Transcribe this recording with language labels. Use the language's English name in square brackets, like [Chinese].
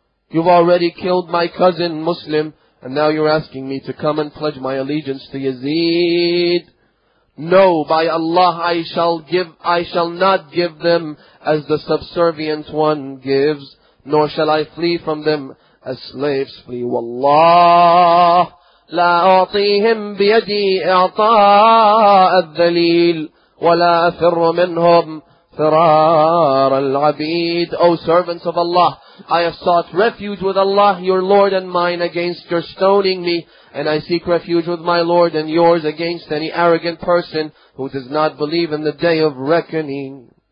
[English] You've already killed my cousin Muslim, and now you're asking me to come and pledge my allegiance to Yazid. No, by Allah, I shall not give them as the subservient one gives, nor shall I flee from them as slaves flee. [Arabic] Wallah, لا أعطيهم بيدي إعطاء الذليل ولا أفر منهم فرار العبيد. [English] O servants of Allah, I have sought refuge with Allah, your Lord and mine, against your stoning me, and I seek refuge with my Lord and yours against any arrogant person who does not believe in the day of reckoning.